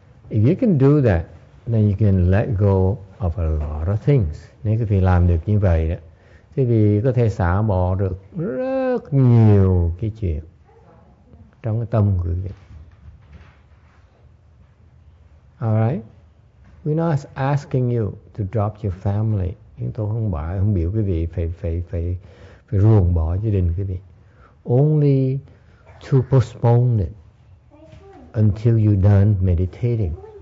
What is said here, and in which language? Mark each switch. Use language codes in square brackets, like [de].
[en] If you can do that, then you can let go of a lot of things. [vi] Nếu quý vị làm được như vậy đó, quý vị có thể xả bỏ được rất nhiều cái chuyện. trong cái tâm của quý vị. [en] All right. We're not asking you to drop your family. [vi] Chúng tôi không bảo, không biểu quý vị phải ruồng bỏ gia đình quý vị. [en] Only to postpone it until you're done meditating.